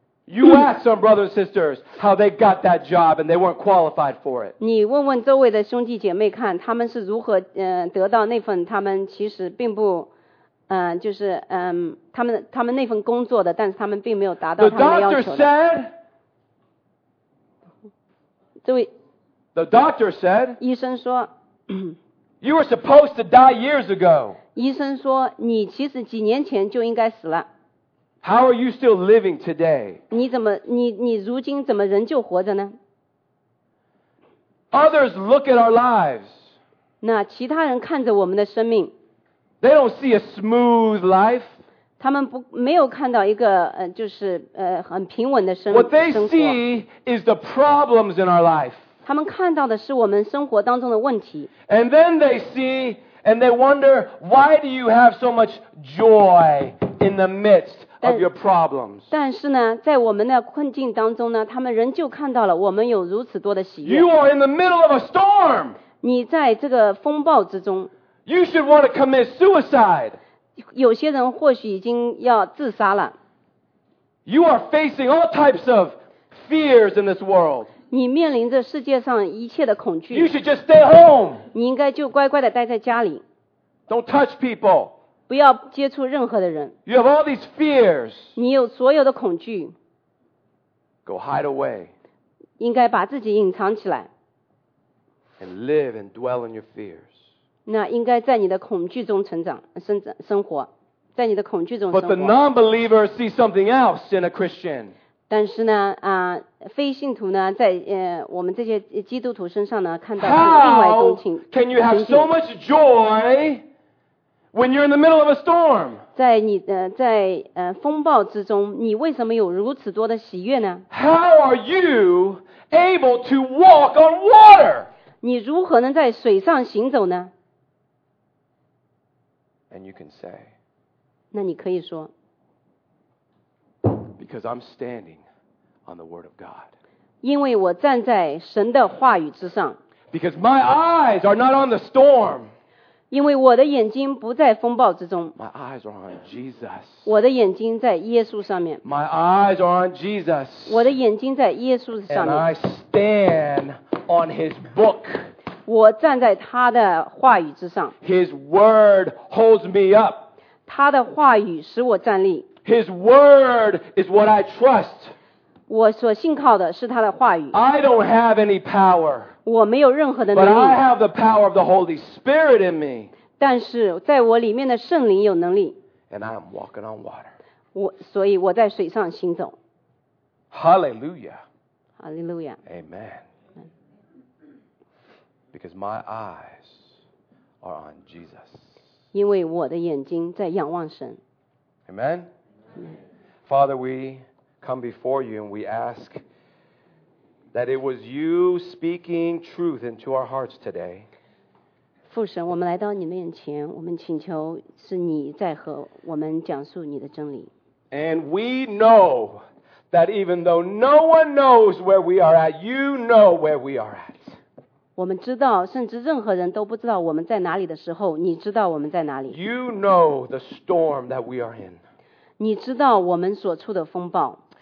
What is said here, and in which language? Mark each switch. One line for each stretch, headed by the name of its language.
English: You ask some brothers and sisters how they got that job and they weren't qualified for it.
Chinese: 你问问周围的兄弟姐妹看，他们是如何得到那份他们其实并不。就是他们那份工作的，但是他们并没有达到他们的要求的。
English: The doctor said.
Chinese: 这位。
English: The doctor said.
Chinese: 医生说。
English: You were supposed to die years ago.
Chinese: 医生说，你其实几年前就应该死了。
English: How are you still living today?
Chinese: 你怎么你如今怎么仍旧活着呢
English: ？Others look at our lives.
Chinese: 那其他人看着我们的生命。
English: They don't see a smooth life.
Chinese: 他们没有看到一个就是很平稳的生活。
English: What they see is the problems in our life.
Chinese: 他们看到的是我们生活当中的问题。
English: And then they see and they wonder, why do you have so much joy in the midst of your problems?
Chinese: 但是呢，在我们的困境当中呢，他们仍旧看到了我们有如此多的喜悦。
English: You are in the middle of a storm.
Chinese: 你在这个风暴之中。
English: You should want to commit suicide.
Chinese: 有些人或许已经要自杀了。
English: You are facing all types of fears in this world.
Chinese: 你面临着世界上一切的恐惧。
English: You should just stay home.
Chinese: 你应该就乖乖地待在家里。
English: Don't touch people.
Chinese: 不要接触任何的人。
English: You have all these fears.
Chinese: 你有所有的恐惧。
English: Go hide away.
Chinese: 应该把自己隐藏起来。
English: And live and dwell in your fears.
Chinese: 那应该在你的恐惧中成长，生活，在你的恐惧中生活。
English: But the non-believer sees something else in a Christian.
Chinese: 但是呢，非信徒呢，在我们这些基督徒身上呢，看到另外一种情景。
English: How can you have so much joy when you're in the middle of a storm?
Chinese: 在你在风暴之中，你为什么有如此多的喜悦呢
English: ？How are you able to walk on water?
Chinese: 你如何能在水上行走呢？
English: And you can say,
Chinese: 那你可以说
English: Because I'm standing on the word of God.
Chinese: 因为我站在神的话语之上
English: Because my eyes are not on the storm.
Chinese: 因为我的眼睛不在风暴之中
English: My eyes are on Jesus.
Chinese: 我的眼睛在耶稣上面
English: My eyes are on Jesus.
Chinese: 我的眼睛在耶稣上面
English: And I stand on his book.
Chinese: 我站在他的话语之上。
English: His word holds me up.
Chinese: 他的话语使我站立。
English: His word is what I trust.
Chinese: 我所信靠的是他的话语。
English: I don't have any power.
Chinese: 我没有任何的能力。
English: But I have the power of the Holy Spirit in me.
Chinese: 但是在我里面的圣灵有能力。
English: And I'm walking on water.
Chinese: 所以我在水上行走。
English: Hallelujah. Hallelujah. Amen. Because my eyes are on Jesus.
Chinese: 因为我的眼睛在仰望神。
English: Amen? Father, we come before you and we ask that it was you speaking truth into our hearts today.
Chinese: 父神，我们来到你面前，我们请求是你在和我们讲述你的真理。
English: And we know that even though no one knows where we are at, you know where we are at.
Chinese: 我们知道，甚至任何人都不知道我们在哪里的时候，你知道我们在哪里。
English: You know the storm that we are in.
Chinese: 你知道我们所处的风暴。